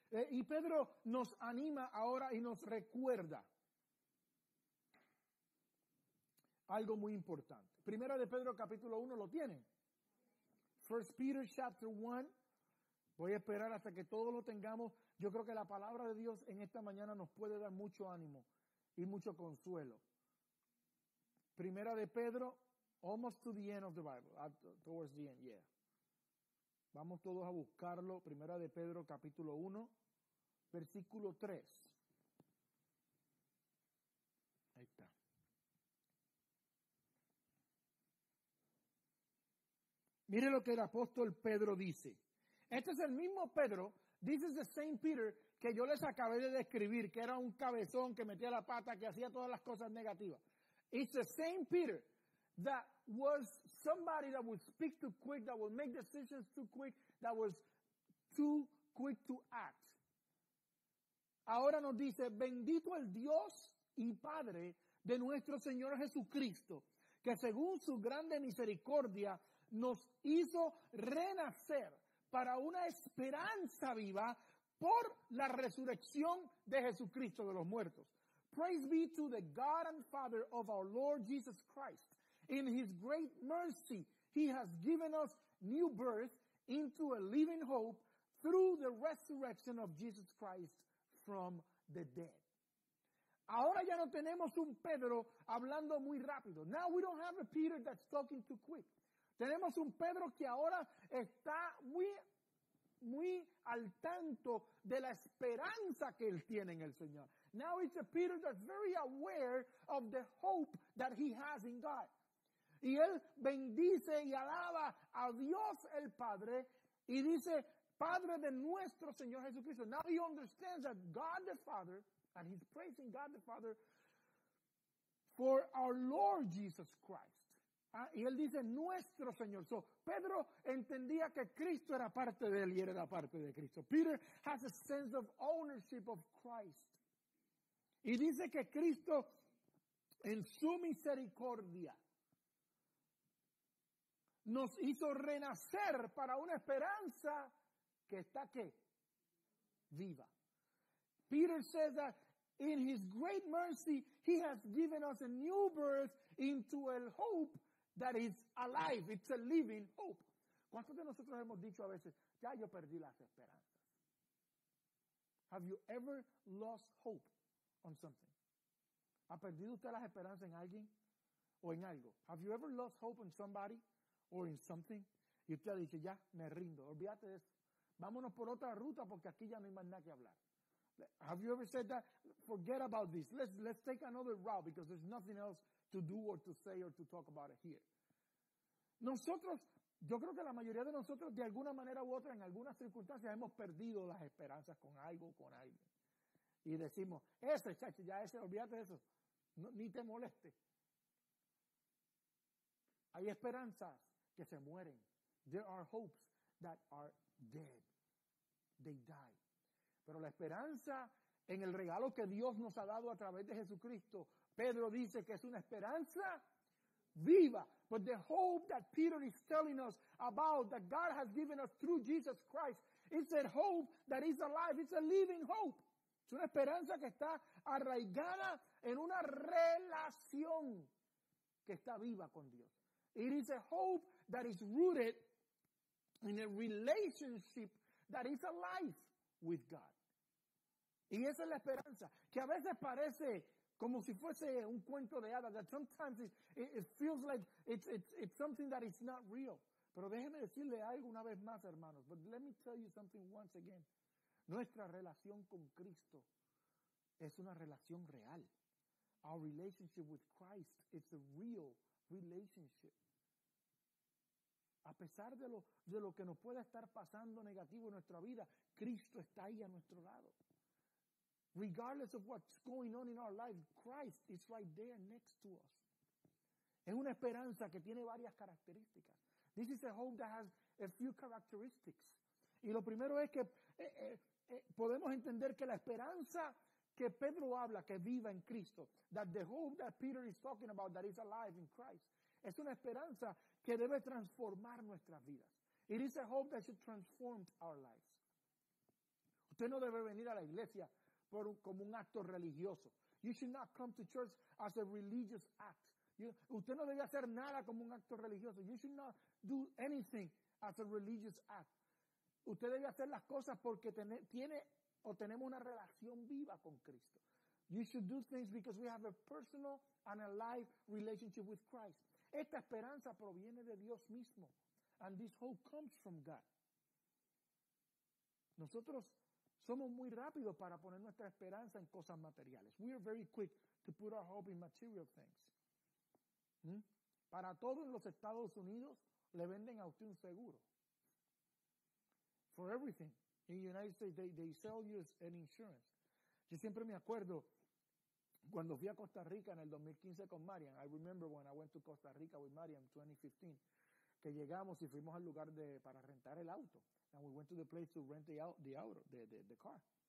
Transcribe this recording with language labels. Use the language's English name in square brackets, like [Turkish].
[Spanish] Y Pedro nos anima ahora y nos recuerda algo muy importante. Primera de Pedro capítulo 1, ¿lo tienen? [English] First Peter chapter 1. [Spanish] Voy a esperar hasta que todos lo tengamos. Yo creo que la palabra de Dios en esta mañana nos puede dar mucho ánimo y mucho consuelo. Primera de Pedro, [English] almost to the end of the Bible, towards the end, yeah. [Spanish] Vamos todos a buscarlo. Primera de Pedro, capítulo 1, versículo 3. Ahí está. Mire lo que el apóstol Pedro dice. Este es el mismo Pedro, [English] this is the same Peter, [Spanish] que yo les acabé de describir, que era un cabezón, que metía la pata, que hacía todas las cosas negativas. [English] It's the same Peter that was somebody that would speak too quick, that would make decisions too quick, that was too quick to act. [Spanish] Ahora nos dice, bendito el Dios y Padre de nuestro Señor Jesucristo, que según su grande misericordia nos hizo renacer para una esperanza viva por la resurrección de Jesucristo de los muertos. [English] Praise be to the God and Father of our Lord Jesus Christ. In His great mercy, He has given us new birth into a living hope through the resurrection of Jesus Christ from the dead. [Spanish] Ahora ya no tenemos un Pedro hablando muy rápido. [English] Now we don't have a Peter that's talking too quick. [Spanish] Tenemos un Pedro que ahora está muy, muy al tanto de la esperanza que él tiene en el Señor. [English] Now it's a Peter that's very aware of the hope that he has in God. [Spanish] Y él bendice y alaba a Dios el Padre y dice, Padre de nuestro Señor Jesucristo. [English] Now he understands that God the Father, and he's praising God the Father for our Lord Jesus Christ. [Spanish] Y él dice, nuestro Señor. So, Pedro entendía que Cristo era parte de él y era parte de Cristo. [English] Peter has a sense of ownership of Christ. [Spanish] Y dice que Cristo, en su misericordia, nos hizo renacer para una esperanza que está, ¿qué? Viva. [English] Peter says that, in his great mercy, he has given us a new birth into a hope that is alive. It's a living hope. [Spanish] ¿Cuántos de nosotros hemos dicho a veces, ya yo perdí las esperanzas? [English] Have you ever lost hope on something? [Spanish] ¿Ha perdido usted las esperanzas en alguien o en algo? [English] Have you ever lost hope in somebody or in something? [Spanish] Y usted dice, ya, me rindo. Olvídate de eso. Vámonos por otra ruta porque aquí ya no hay más nada que hablar. [English] Have you ever said that? Forget about this. Let's take another route because there's nothing else to do or to say or to talk about it here. [Spanish] Nosotros, yo creo que la mayoría de nosotros de alguna manera u otra en algunas circunstancias hemos perdido las esperanzas con algo o con alguien. Y decimos, ese chacho, ya ese, olvídate de eso, no, ni te moleste. Hay esperanzas que se mueren. [English] There are hopes that are dead. They die. [Spanish] Pero la esperanza en el regalo que Dios nos ha dado a través de Jesucristo, Pedro dice que es una esperanza viva. [English] But the hope that Peter is telling us about, that God has given us through Jesus Christ, it's a hope that is alive, it's a living hope. [Spanish] Es una esperanza que está arraigada en una relación que está viva con Dios. [English] It is a hope that is rooted in a relationship that is alive with God. [Spanish] Y esa es la esperanza, que a veces parece como si fuese un cuento de hadas, [English] that sometimes it feels like it's something that is not real. [Spanish] Pero déjeme decirle algo una vez más, hermanos. [English] But let me tell you something once again. [Spanish] Nuestra relación con Cristo es una relación real. [English] Our relationship with Christ is a real relationship. [Spanish] A pesar de lo que nos pueda estar pasando negativo en nuestra vida, Cristo está ahí a nuestro lado. [English] Regardless of what's going on in our life, Christ is right there next to us. [Spanish] Es una esperanza que tiene varias características. [English] This is a hope that has a few characteristics. [Spanish] Y lo primero es que podemos entender que la esperanza que Pedro habla, que viva en Cristo, [English] that the hope that Peter is talking about, that is alive in Christ, [Spanish] es una esperanza que debe transformar nuestras vidas. [English] It is a hope that should transform our lives. [Spanish] Usted no debe venir a la iglesia como un acto religioso. [English] You should not come to church as a religious act. [Spanish] Usted no debe hacer nada como un acto religioso. [English] You should not do anything as a religious act. [Spanish] Usted debe hacer las cosas porque tenemos una relación viva con Cristo. [English] You should do things because we have a personal and a live relationship with Christ. [Spanish] Esta esperanza proviene de Dios mismo. [English] And this hope comes from God. [Spanish] Nosotros somos muy rápidos para poner nuestra esperanza en cosas materiales. [English] We are very quick to put our hope in material things. [Spanish] Para todos los Estados Unidos, le venden a usted un seguro. [English] For everything. In the United States, they sell you an insurance. [Spanish] Yo siempre me acuerdo cuando fui a Costa Rica en el 2015 con Marian. [English] I remember when I went to Costa Rica with Marian in 2015. [Spanish] Que llegamos y fuimos al lugar para rentar el auto. [English] And we went to the place to rent the car.